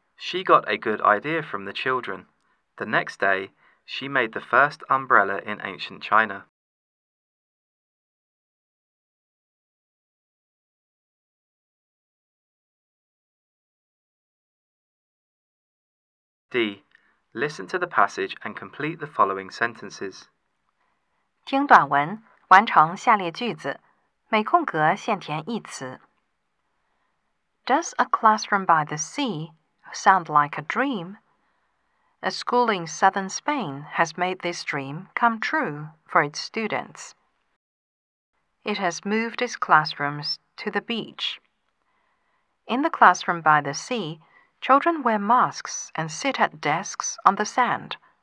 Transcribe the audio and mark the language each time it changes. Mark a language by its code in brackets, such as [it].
[en] She got a good idea from the children. The next day, she made the first umbrella in ancient China. D. Listen to the passage and complete the following sentences. [zh] 听短文，完成下列句子，每空格限填一词。 [en] Does a classroom by the sea sound like a dream? A school in southern Spain has made this dream come true for its students. It has moved its classrooms to the beach. In the classroom by the sea, children wear masks and sit at desks on the sand.